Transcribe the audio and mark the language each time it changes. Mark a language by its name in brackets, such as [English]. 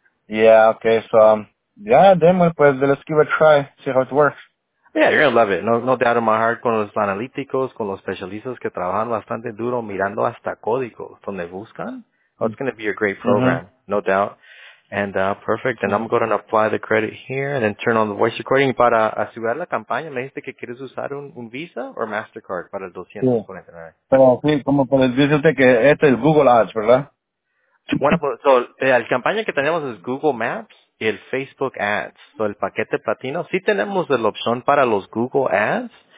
[English] Okay. Yeah, okay, so, yeah, demo, pues, let's give it a try, see how it works. Yeah, you're gonna love it. No doubt in my heart, [Spanish] con los analíticos, con los especialistas que trabajan bastante duro mirando hasta código donde buscan. [English] Oh, it's going to be a great program, no doubt. And perfect. And I'm going to apply the credit here and then turn on the voice recording. [Spanish] Para asegurar la campaña, me dijiste que quieres usar un Visa or MasterCard para el 249. Sí. Pero sí, como para decirte que este es Google Ads, ¿verdad? Bueno, pues, so, el campaña que tenemos es Google Maps y el Facebook Ads. So, el paquete platino, sí tenemos la opción para los Google Ads.